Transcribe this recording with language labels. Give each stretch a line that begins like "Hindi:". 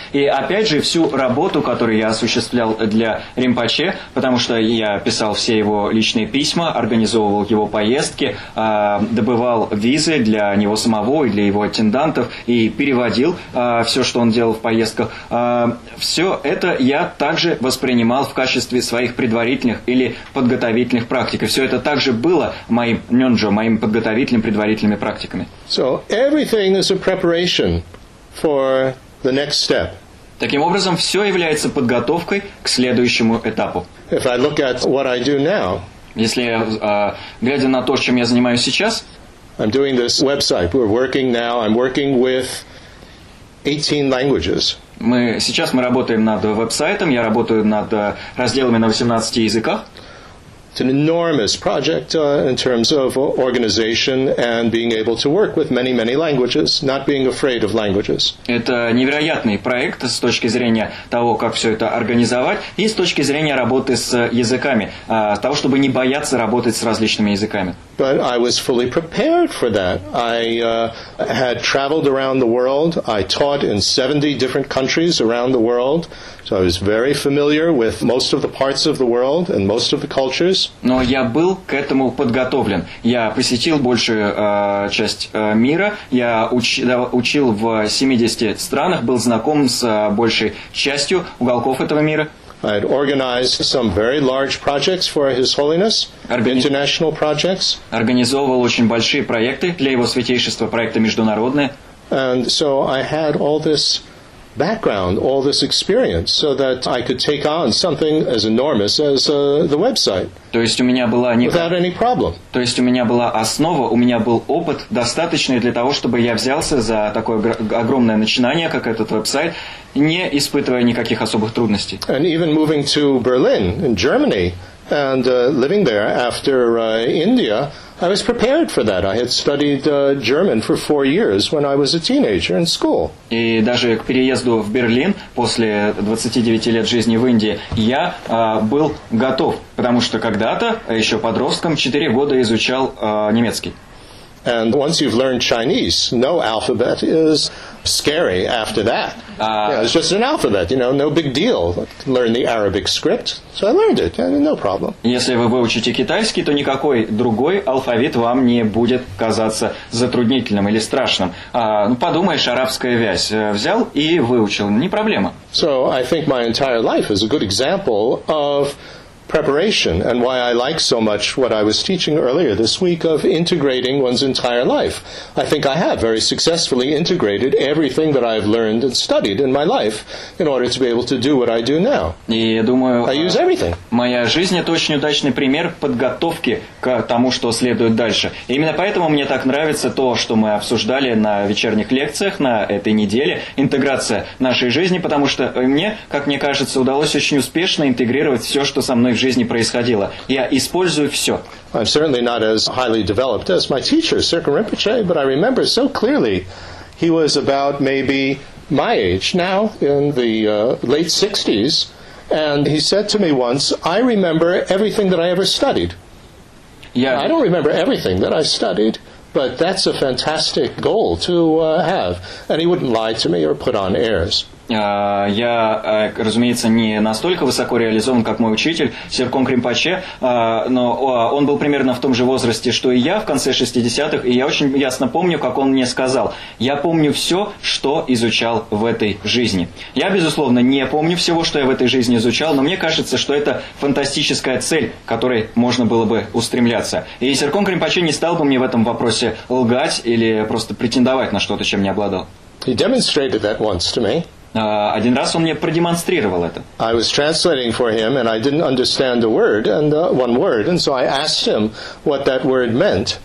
Russian: И опять же, всю работу, которую я осуществлял для Ринпоче, потому что я писал все его личные письма, организовывал его поездки, добывал визы для него самого и для его аттендантов, и переводил все, что он делал в поездках. Все это я также воспринимал в качестве своих предварительных или подготовительных практик. И все это также было моим нёндро, моим подготовительным, предварительными практиками.
English: Everything is a preparation for the next step.
Russian: Таким образом, все является подготовкой к следующему этапу.
English: If I look at what I do now,
Russian: если глядя на то, чем я занимаюсь сейчас,
English: I'm doing this website. We're working now. I'm working with 18 languages.
Russian: Сейчас мы работаем над веб-сайтом. Я работаю над разделами на 18 языках.
English: It's an enormous project in terms of organization and being able to work with many, many languages, not being afraid of languages.
Russian: Это невероятный проект с точки зрения того, как все это организовать, и с точки зрения работы с языками, того, чтобы не бояться работать с различными языками.
English: But I was fully prepared for that. I had traveled around the world. I taught in 70 different countries around the world. So I was very familiar with most of the parts of the world and most of the cultures.
Russian: Но я был к этому подготовлен. Я посетил большую часть мира. Я учил в 70 странах, был знаком с большей частью уголков этого мира.
English: I had organized some very large projects for His Holiness, international projects.
Russian: Организовывал очень большие проекты для Его Святейшества, проекты международные.
English: And so I had all this background, all this experience, so that I could take on something as enormous as the website.
Russian: То есть у меня была не
English: without any problem.
Russian: То есть у меня была основа, у меня был опыт достаточный для того, чтобы я взялся за такое огромное начинание, как этот веб-сайт, не испытывая никаких особых трудностей.
English: And even moving to Berlin in Germany and living there after India, I was prepared for that. I had studied German for 4 years when I was a teenager in school.
Russian: И даже к переезду в Берлин после 29 лет жизни в Индии я был готов, потому что когда-то еще подростком 4 года изучал немецкий.
English: And once you've learned Chinese, no alphabet is scary after that. It's just an alphabet, you know, no big deal. Learn the Arabic script, so I learned it, and no problem.
Russian: Если вы выучите китайский, то никакой другой алфавит вам не будет казаться затруднительным или страшным. Подумаешь, арабская вязь. Взял и выучил. Не проблема.
English: So I think my entire life is a good example of preparation and why I like so much what I was teaching earlier this week of integrating one's entire life. I think I have very successfully integrated everything that I've learned and studied in my life in order to be able to do what I do now.
Russian: И я думаю,
English: I use everything.
Russian: Моя жизнь это очень удачный пример подготовки к тому, что следует дальше. И именно поэтому мне так нравится то, что мы обсуждали на вечерних лекциях на этой неделе, интеграция нашей жизни, потому что мне, как мне кажется, удалось очень успешно интегрировать все, что со мной в жизни происходило. Я использую все.
English: I'm certainly not as highly developed as my teacher, Sirkin Rinpoche, but I remember so clearly he was about maybe my age now, in the late 60s, and he said to me once, I remember everything that I ever studied. Yeah. I don't remember everything that I studied, but that's a fantastic goal to have. And he wouldn't lie to me or put on airs.
Russian: Я, разумеется, не настолько высоко реализован, как мой учитель Сиркон Кримпаче, но он был примерно в том же возрасте, что и я, в конце 60-х, и я очень ясно помню, как он мне сказал. Я помню все, что изучал в этой жизни. Я, безусловно, не помню всего, что я в этой жизни изучал, но мне кажется, что это фантастическая цель, к которой можно было бы устремляться. И Сиркон Кримпаче не стал бы мне в этом вопросе лгать или просто претендовать на что-то, чем не обладал.
English: He demonstrated that once to me.
Russian: Один раз он мне продемонстрировал это.
English: I was translating for him, and I didn't understand a word, and one word, and so I asked him what that word meant.